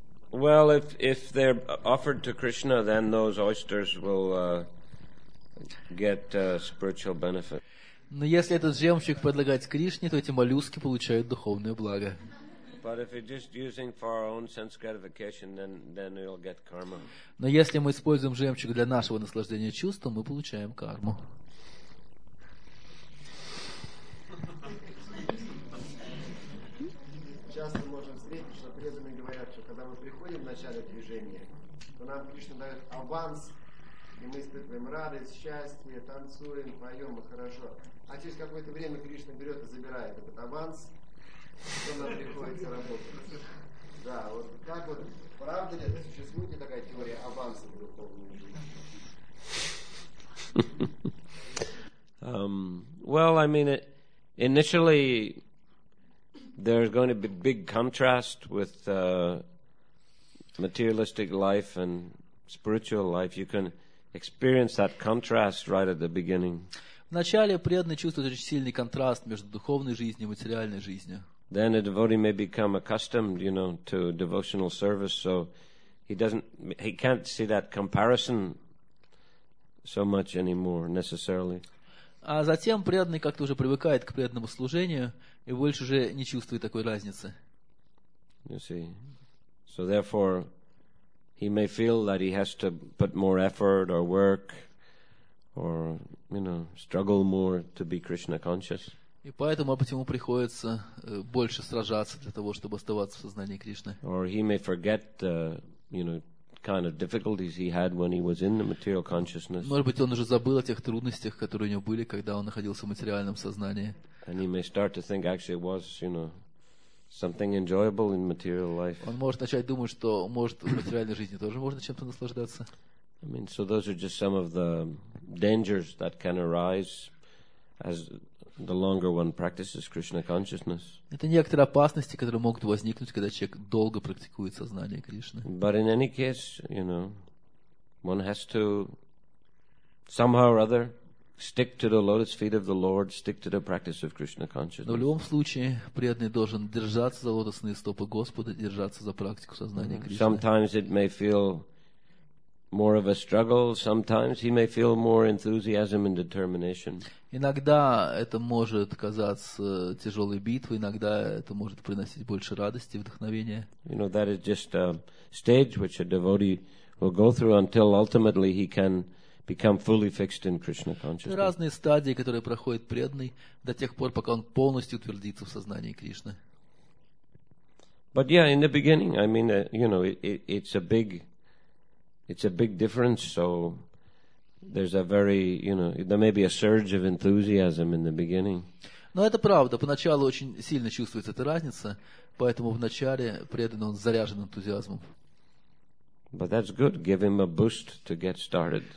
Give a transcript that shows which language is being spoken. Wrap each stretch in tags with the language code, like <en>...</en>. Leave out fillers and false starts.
<en>Well, if they're offered to Krishna, then those oysters will get spiritual benefit.</en> <ru>Но если этот жемчуг предлагать Кришне, то эти моллюски получают духовное благо.</ru> <en>But if you're just using for our own sense gratification, then we'll get karma.</en> <ru>Но если мы используем жемчуг для нашего наслаждения чувством, мы получаем карму. Часто можем встретить, что преданные говорят, что когда мы приходим в начале движения, то нам Кришна дает аванс, и мы испытываем радость, счастье, танцуем, поем, и хорошо. А через какое-то время Кришна берет и забирает этот аванс, что нам приходится работать. Да, вот как вот, правда ли это, существует ли такая теория аванса в духовной жизни?</ru> <en>Well, I mean, initially there's going to be big contrast with materialistic life and spiritual life. You can experience that contrast right at the beginning.</en> <ru>Вначале преданный чувствует очень сильный контраст между духовной жизнью и материальной жизнью.</ru> <en>Then a devotee may become accustomed, you know, to devotional service, so he can't see that comparison so much anymore necessarily.</en> <ru>А затем преданный как-то уже привыкает к преданному служению и больше уже не чувствует такой разницы.</ru> <en>You see. So therefore, he may feel that he has to put more effort or work or, you know, struggle more to be Krishna conscious.</en> <ru>И поэтому ему приходится больше сражаться для того, чтобы оставаться в сознании Кришны.</ru> <en>Or he may forget, you know, kind of difficulties he had when he was in the material consciousness.</en> <ru>Может быть, он уже забыл о тех трудностях, которые у него были, когда он находился в материальном сознании.</ru> <en>And he may start to think actually it was, you know, something enjoyable in material life.</en> <ru>Он может начать думать, что может в материальной жизни тоже можно чем-то наслаждаться.</ru> <en>I mean, so those are just some of the dangers that can arise as the longer one practices Krishna consciousness.</en> <ru>Это некоторые опасности, которые могут возникнуть, когда человек долго практикует сознание Кришны.</ru> <en>But in any case, you know, one has to somehow or other stick to the lotus feet of the Lord, stick to the practice of Krishna consciousness.</en> <ru>Но в любом случае преданный должен держаться за лотосные стопы Господа, держаться за практику сознания Кришны.</ru> <en>Sometimes it may feel more of a struggle. Sometimes he may feel more enthusiasm and determination.</en> <ru>Иногда это может казаться тяжелой битвой. Иногда это может приносить больше радости, вдохновения.</ru> <en>You know, that is just a stage which a devotee will go through until ultimately he can become fully fixed in Krishna consciousness.</en> <ru>Это разные стадии, которые проходит преданный до тех пор, пока он полностью утвердится в сознании Кришны.</ru> <en>But yeah, in the beginning, I mean, you know, it's a big difference, so there's a very, you know, there may be a surge of enthusiasm in the beginning.</en> <ru>Но это правда, поначалу очень сильно чувствуется эта разница, поэтому в начале преданный он заряжен энтузиазмом.</ru> <en>But that's good, give him a boost to get started.</en>